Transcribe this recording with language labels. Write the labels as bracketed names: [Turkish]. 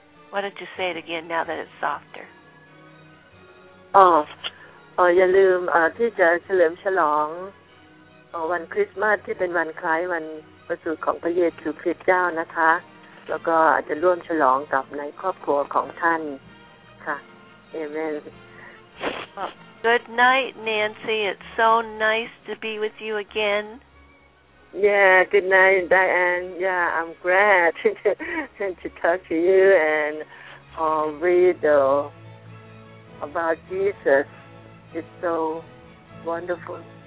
[English] Why don't you say it again now that it's softer? [Thai] อย่าลืมที่จะเฉลิมฉลองวันคริสต์มาสที่เป็นวันคล้ายวันประสูติของพระเยซูคริสต์เจ้านะคะแล้วก็อาจจะร่วมฉลองกับในครอบครัวของท่านค่ะ Amen. [English] Good night, Nancy. It's so nice to be with you again. Yeah, good night, Diane. Yeah, I'm glad to talk to you and read about Jesus. It's so wonderful.